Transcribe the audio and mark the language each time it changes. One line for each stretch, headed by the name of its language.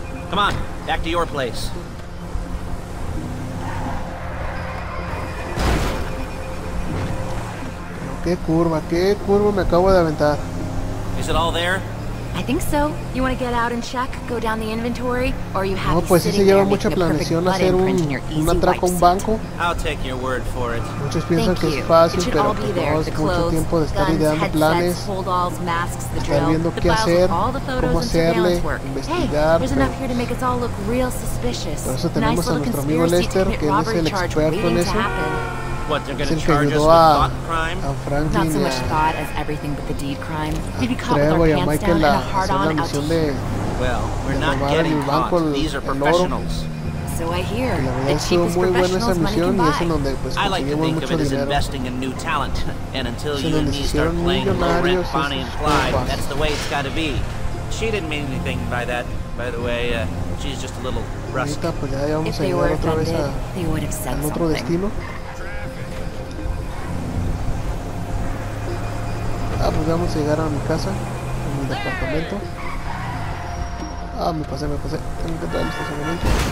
English: Come on, back to your place.
Spanish: Qué curva me acabo de aventar.
English: Is it all there? I think so. You want to get out and check, go down the inventory, or you have
Spanish: to. No, pues sí se lleva mucha planeación hacer un atraco a un banco.
English: I'll take your word for it.
Spanish: Muchos piensan que es fácil, pero no, es mucho tiempo de estar ideando planes, estar viendo qué hacer, cómo hacerle, investigar. Por eso tenemos a nuestro amigo Lester, que él es el experto en eso.
English: What, they're gonna charge us with thought crime? A Franklin, not so much thought as everything but the deed crime. We'd be caught with our pants down and a hard on out here. Well, we're not getting caught. These are professionals. So I hear. The cheapest professionals money can buy. I like to think of it as investing in new talent. And until you and me start playing low-rent Bonnie and Clyde, that's the way it's gotta be. She didn't mean anything by that, by the way. She's just a little rusty. If they were offended, they would have said something.
Spanish: Vamos a llegar a mi casa, a mi departamento. Ah, me pasé. Tengo que entrar al estacionamiento.